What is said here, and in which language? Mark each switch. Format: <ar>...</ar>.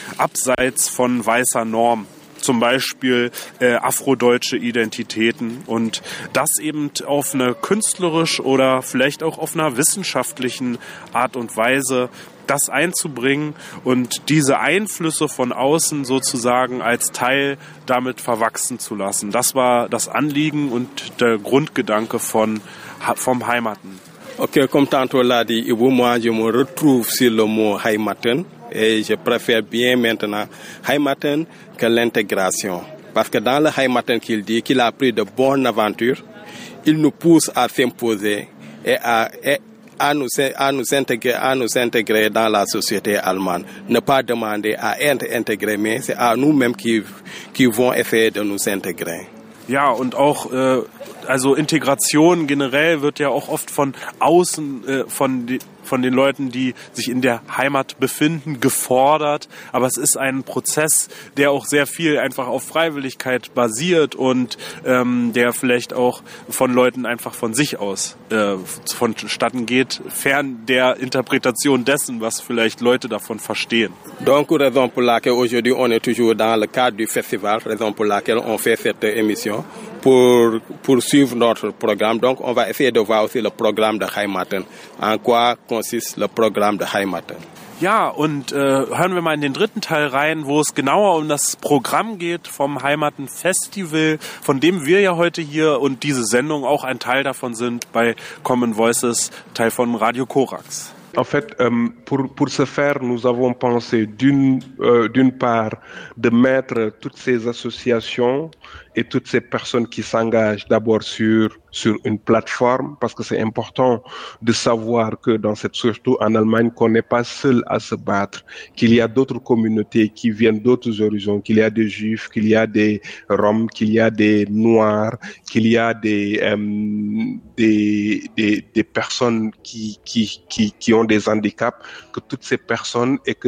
<de>abseits von weißer Norm, zum Beispiel afrodeutsche Identitäten und das eben auf eine künstlerisch oder vielleicht auch auf einer wissenschaftlichen Art und Weise das einzubringen und diese Einflüsse von außen sozusagen als Teil damit verwachsen zu lassen. Das war das Anliegen und der Grundgedanke vom Heimaten.</de> <fr>Okay, comme tantôt l'a dit, Ibu, moi je me retrouve sur le mot Heimaten. Et je préfère bien maintenant Heimaten que l'intégration. Parce que dans le Heimaten qu'il dit, qu'il a pris de bonnes aventures, il nous pousse à s'imposer et à nous intégrer dans la société allemande. Ne pas demander à être intégré, mais c'est à nous-mêmes qui vont essayer de nous intégrer.</fr> <de>Ja, und auch also Integration generell wird ja auch oft von außen, von den Leuten, die sich in der Heimat befinden, gefordert. Aber es ist ein Prozess, der auch sehr viel einfach auf Freiwilligkeit basiert und der vielleicht auch von Leuten einfach von sich aus vonstatten geht, fern der Interpretation dessen, was vielleicht Leute davon verstehen.</de> <fr>Donc, raison pour laquelle aujourd'hui on est toujours dans le cadre du festival, raison pour laquelle on fait cette émission. Pour suivre notre programme, donc on va essayer de voir aussi le programme de Heimaten. En quoi consiste le programme de Heimaten?</fr> <de>Ja, und hören wir mal in den dritten Teil rein, wo es genauer um das Programm geht vom Heimaten-Festival, von dem wir ja heute hier und diese Sendung auch ein Teil davon sind bei Common Voices, Teil von Radio Korax.</de> <fr>En fait, pour ce faire, nous avons pensé d'une part de mettre toutes ces associations et toutes ces personnes qui s'engagent d'abord sur une plateforme, parce que c'est important de savoir que dans cette, surtout en Allemagne, qu'on n'est pas seul à se battre, qu'il y a d'autres communautés qui viennent d'autres horizons, qu'il y a des Juifs, qu'il y a des Roms, qu'il y a des Noirs, qu'il y a des personnes qui ont des handicaps, que toutes ces personnes</fr>